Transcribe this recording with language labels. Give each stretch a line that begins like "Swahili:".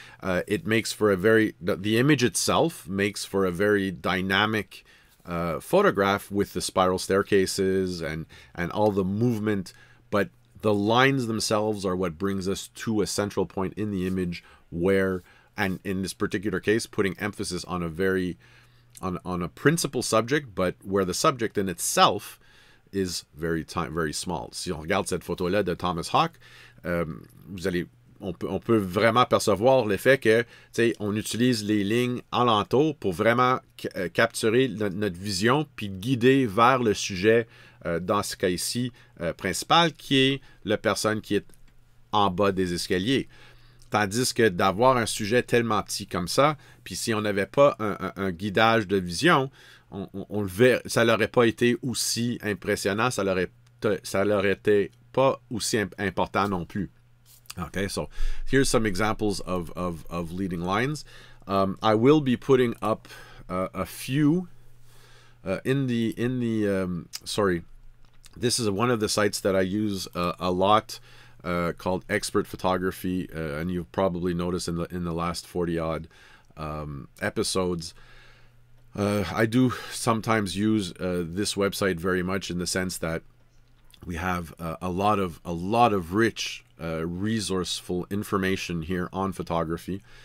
English: It makes for a very, the image itself makes for a very dynamic photograph with the spiral staircases and all the movement, but the lines themselves are what brings us to a central point in the image where, and in this particular case, putting emphasis on a very, on a principal subject, but where the subject in itself is very very small.
French: Si on regarde cette photo-là de Thomas Hawk, on peut vraiment percevoir le fait que, tu sais, on utilise les lignes alentour pour vraiment capturer notre vision puis guider vers le sujet dans ce cas-ci principal qui est la personne qui est en bas des escaliers. Tandis que d'avoir un sujet tellement petit comme ça, puis si on n'avait pas un guidage de vision, on le verrait, ça n'aurait pas été aussi impressionnant, ça n'aurait été pas aussi important non plus.
English: Okay, so here's some examples of leading lines. I will be putting up a few in the this is one of the sites that I use a lot, called Expert Photography, and you've probably noticed in the last 40 odd episodes, I do sometimes use this website very much, in the sense that we have a lot of rich, resourceful information here on photography.